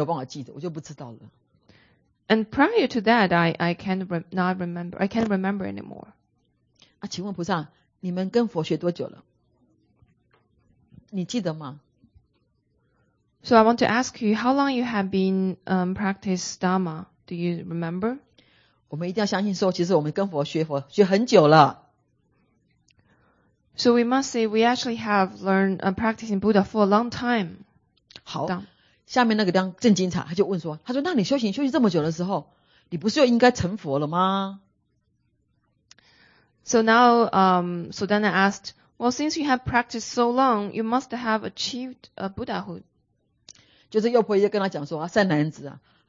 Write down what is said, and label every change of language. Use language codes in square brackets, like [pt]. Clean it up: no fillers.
[zh] 他说，但是这个更早之前我就没有办法记得，我就不知道了。 [en] And prior to that, I can't remember anymore. [zh] 啊，请问菩萨，你们跟佛学多久了？你记得吗？ [en] So I want to ask you, how long you have been practice Dharma? Do you remember? [zh] 我们一定要相信说，其实我们跟佛学很久了。 [en] So we must say we actually have learned and practicing Buddha for a long time. [zh] 好，下面那个地方更精彩，他就问说，他说那你修行修习这么久的时候，你不是又应该成佛了吗？ [en] So now, Sudana asked, well, since you have practiced so long, you must have achieved a Buddhahood. [zh] 就是又婆姨跟他讲说，善男子啊。